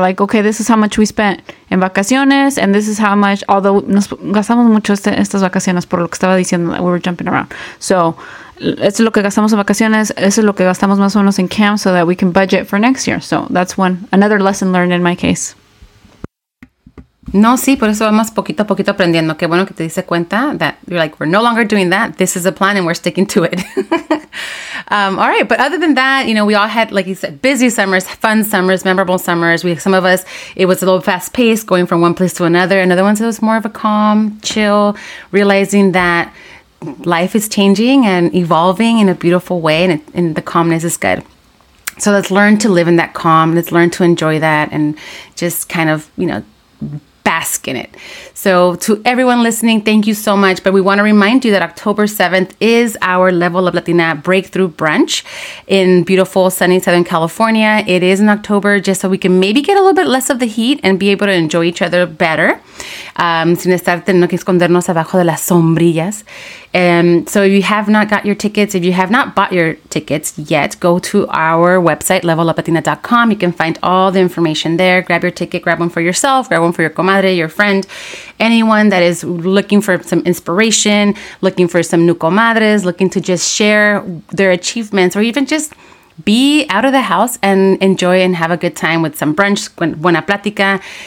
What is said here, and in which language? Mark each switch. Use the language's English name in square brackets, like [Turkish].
[English] Like, okay, this is how much we spent in vacaciones, and this is how much, although [Spanish] nos gastamos mucho estas vacaciones, por lo que estaba diciendo, [English] that we were jumping around. [Spanish] So eso es lo que gastamos en vacaciones, eso es lo que gastamos más o menos [English] in camp, so that we can budget for next year. So that's one, another lesson learned in my case. [Spanish] No, sí, por eso vamos poquito a poquito aprendiendo. Qué bueno que te diste cuenta [English] that you're like, we're no longer doing that. This is a plan and we're sticking to it. all right, but other than that, you know, we all had, like you said, busy summers, fun summers, memorable summers. Some of us, it was a little fast paced going from one place to another. Another one, it was more of a calm, chill, realizing that life is changing and evolving in a beautiful way, and the calmness is good. So let's learn to live in that calm. Let's learn to enjoy that and just kind of, you know, bask in it. So to everyone listening, thank you so much. But we want to remind you that October 7th is our Level Up Latina Breakthrough Brunch in beautiful, sunny Southern California. It is in October, just so we can maybe get a little bit less of the heat and be able to enjoy each other better. [Spanish] Sin estar teniendo que escondernos abajo de las sombrillas. [English] And so if you have not got your tickets, if you have not bought your tickets yet, go to our website, leveluplatina.com. You can find all the information there. Grab your ticket, grab one for yourself, grab one for your comadre, your friend, anyone that is looking for some inspiration, looking for some new comadres, looking to just share their achievements, or even just be out of the house and enjoy and have a good time with some brunch, [Spanish] buena plática.